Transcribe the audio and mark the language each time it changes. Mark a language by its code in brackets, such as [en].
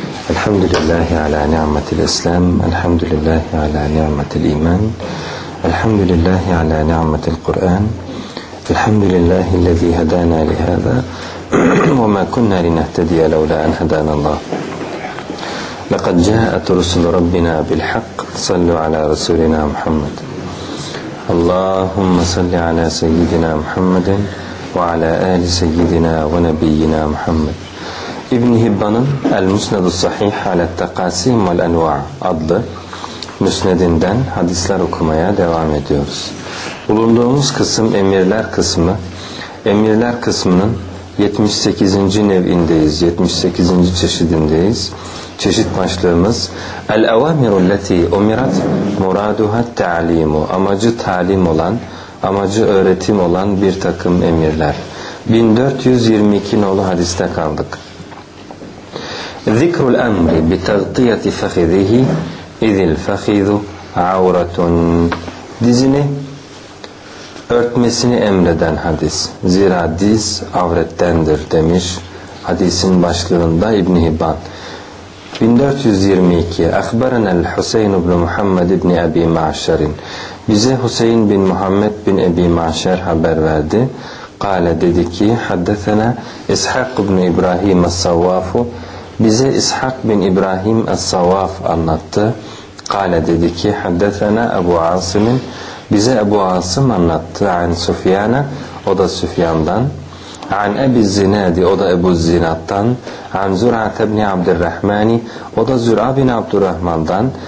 [ar] الحمد لله على نعمة الإسلام، الحمد لله على نعمة الإيمان، الحمد لله على نعمة القرآن، الحمد لله الذي هدانا لهذا وما كنا لنهتدي لولا أن هدانا الله. لقد جاءت رسل ربنا بالحق، صلوا على رسولنا محمد. اللهم صل على سيدنا محمد وعلى آل سيدنا ونبينا محمد. [tr] İbn Hibban'ın El-Musnad-ı Sahih Al-Taqasim Al-Anva adlı müsnedinden hadisler okumaya devam ediyoruz. Bulunduğumuz kısım emirler kısmı. Emirler kısmının 78. nev'indeyiz, 78. çeşidindeyiz. Çeşit başlığımız El-Evamiru Leti Umirat Muraduha Te'alimu, amacı talim olan, amacı öğretim olan bir takım emirler. 1422 nolu hadiste kaldık. [ar] ذكر الأمر بتغطية فخذه إذ الفخذ عورة. [tr] Dizini örtmesini emreden hadis. Zira diz avrettendir demiş hadisin başlığında İbn Hibban. 1422. [ar] أخبرنا الحسين بن محمد بن أبي معشر. [tr] Bize Hüseyin bin Muhammed bin Ebi Maşer haber verdi. [ar] قال [tr] dedi ki [ar] حدثنا إسحاق بن إبراهيم الصواف. [tr] Bize İshak bin İbrahim es-Savaf anlattı. Kale dedi ki haddethena Ebu Asım'ın, bize Ebu Asım anlattı. An Sufyan'a, o da Süfyan'dan. An Ebi Zinadi, o da Ebu Zinad'dan. An Zür'at ibn Abdurrahmani, o da Zür'a bin Abdurrahman'dan.